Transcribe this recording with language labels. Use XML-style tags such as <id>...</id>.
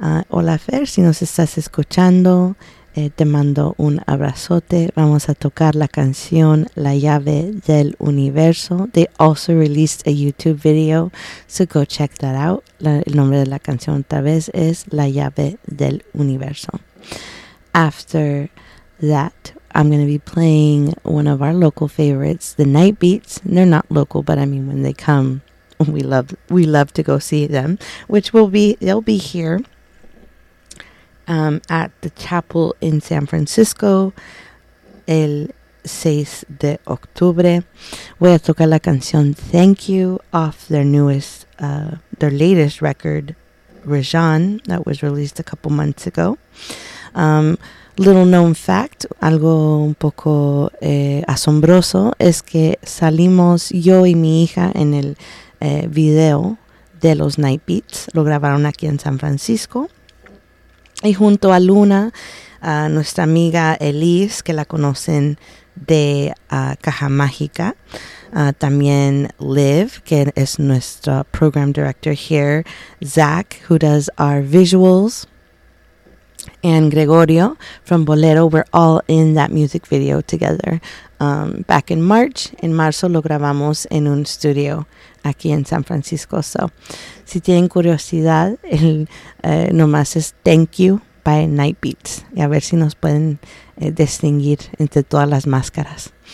<es>Hola Fer, si nos estás escuchando, te mando un abrazote. Vamos a tocar la canción La Llave del Universo.</es> <en>They also released a YouTube video, so go check that out.</en> <es>El nombre de la canción otra vez es La Llave del Universo.</es> <en>After that, I'm going to be playing one of our local favorites, the Night Beats. And they're not local, but I mean, when they come, we love to go see them, which will be, they'll be here at the chapel in San Francisco</en> <es>el 6 de octubre. Voy a tocar la canción</es> <en>Thank You off their latest record, Rajan, that was released a couple months ago. Little known fact,</en> <es>algo un poco asombroso, es que salimos yo y mi hija en el video de los Night Beats. Lo grabaron aquí en San Francisco. Y junto a Luna, nuestra amiga Elise, que la conocen de Caja Mágica. También Liv, que es nuestra program director here.</es> <en>Zach, who does our visuals. And Gregorio from Bolero, we're all in that music video together. Back in March,</en> <es>en marzo lo grabamos en un studio aquí en San Francisco. So, si tienen curiosidad, nomás es Thank You by Night Beats. Y a ver si nos pueden distinguir entre todas las máscaras.</es>